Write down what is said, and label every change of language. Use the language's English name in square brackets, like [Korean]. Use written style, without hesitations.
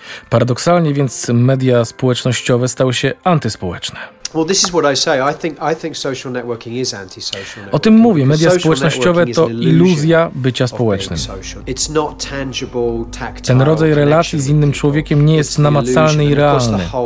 [Polish] Paradoksalnie więc media społecznościowe stały się antyspołeczne. [English] Well, this is what I say. I think social networking is antisocial networking. [Polish] O tym mówię. Media społecznościowe to iluzja bycia społecznym. [English] It's not tangible, tactile. [Polish] Ten rodzaj relacji z innym człowiekiem nie jest namacalny i realny.